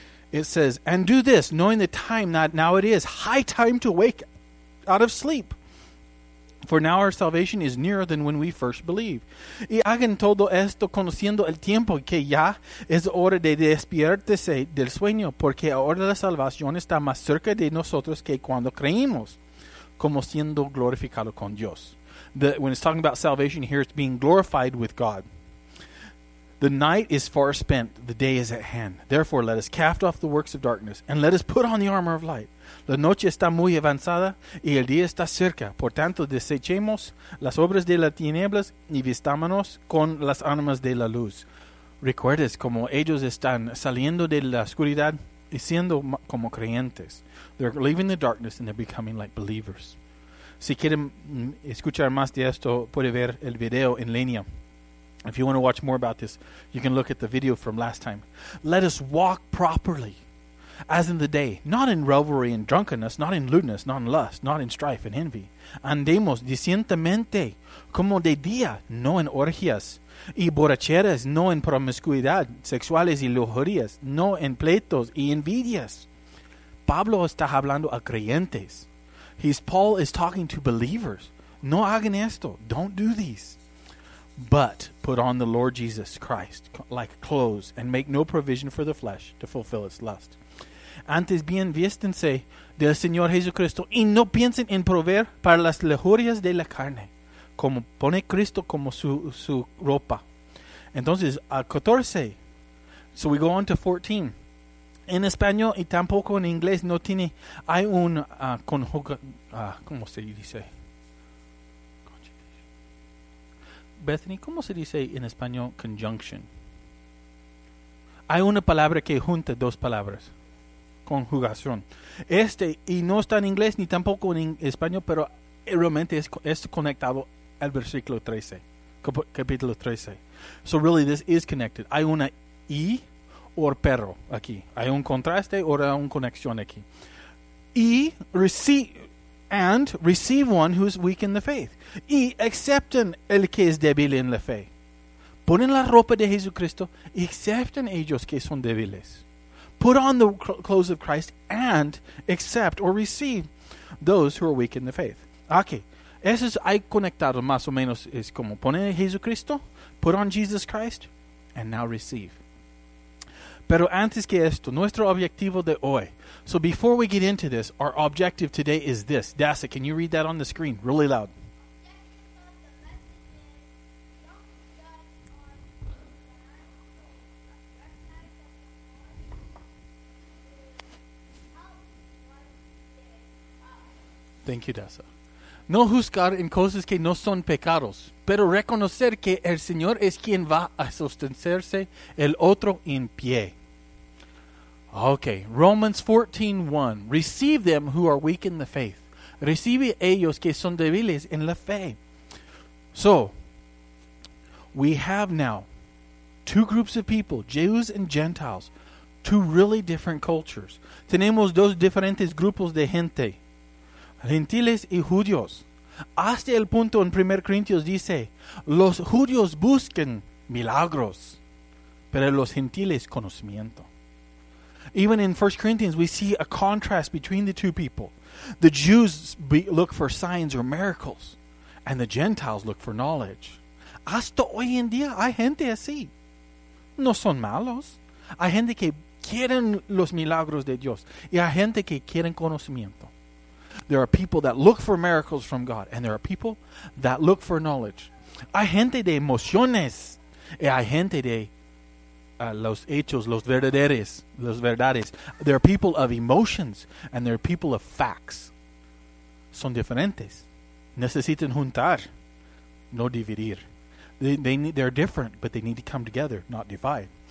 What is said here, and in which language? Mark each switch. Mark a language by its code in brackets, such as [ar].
[en] It says, and do this, knowing the time that now it is high time to wake out of sleep. For now our salvation is nearer than when we first believed. [es] Y hagan todo esto conociendo el tiempo, que ya es hora de despiértese del sueño, porque ahora la salvación está más cerca de nosotros que cuando creímos, como siendo glorificado con Dios. [en] When it's talking about salvation here, it's being glorified with God. The night is far spent, the day is at hand. Therefore, let us cast off the works of darkness, and let us put on the armor of light. [es] La noche está muy avanzada, y el día está cerca. Por tanto, desechemos las obras de las tinieblas, y vistámonos con las armas de la luz. Recuerdes como ellos están saliendo de la oscuridad, y siendo como creyentes. [en] They're leaving the darkness, and they're becoming like believers. [es] Si quieren escuchar más de esto, puede ver el video en línea. [en] If you want to watch more about this, you can look at the video from last time. Let us walk properly, as in the day, not in revelry and drunkenness, not in lewdness, not in lust, not in strife and envy. [es] Andemos decentemente, como de día, no en orgías, y borracheras, no en promiscuidad, sexuales y lujurias, no en pleitos y envidias. Pablo está hablando a creyentes. [en] Paul is talking to believers. [es] No hagan esto. [en] Don't do these. But put on the Lord Jesus Christ like clothes, and make no provision for the flesh to fulfill its lust. [es] Antes bien viéstense del Señor Jesucristo, y no piensen en proveer para las lujurias de la carne, como pone Cristo como su ropa. Entonces, al 14, [en] so we go on to 14. [es] En español y tampoco en inglés no tiene, hay un ¿cómo se dice? Bethany, ¿cómo se dice en español conjunction? Hay una palabra que junta dos palabras. Conjugación. Y no está en inglés ni tampoco en español, pero realmente es conectado al versículo 13. Capítulo 13. [en] So really this is connected. [es] Hay una y o pero aquí. Hay un contraste o una conexión aquí. Y recibe. [en] And receive one who is weak in the faith. [es] Y acepten el que es débil en la fe. Ponen la ropa de Jesucristo y acepten ellos que son débiles. [en] Put on the clothes of Christ and accept or receive those who are weak in the faith. Okay. [es] Eso es, hay conectado más o menos, es como poner a Jesucristo, [en] put on Jesus Christ, and now receive. [es] Pero antes que esto, nuestro objetivo de hoy. [en] So before we get into this, our objective today is this. Dasa, can you read that on the screen really loud? Thank you, Dasa. [es] No juzgar en cosas que no son pecados, pero reconocer que el Señor es quien va a sostenerse el otro en pie. [en] Okay, Romans 14:1. Receive them who are weak in the faith. [es] Recibe ellos que son débiles en la fe. [en] So, we have now two groups of people, Jews and Gentiles, two really different cultures. [es] Tenemos dos diferentes grupos de gente, gentiles y judíos. Hasta el punto en 1 Corintios dice, los judíos buscan milagros, pero los gentiles conocimiento. [en] Even in 1 Corinthians, we see a contrast between the two people. The Jews look for signs or miracles, and the Gentiles look for knowledge. [es] Hasta hoy en día hay gente así. No son malos. Hay gente que quieren los milagros de Dios, y hay gente que quieren conocimiento. [en] There are people that look for miracles from God, and there are people that look for knowledge. [es] Hay gente de emociones, y hay gente de los hechos, los verdades. [en] There are people of emotions, and there are people of facts. [es] Son diferentes. Necesitan juntar, no dividir. [en] They're different, but they need to come together, not divide.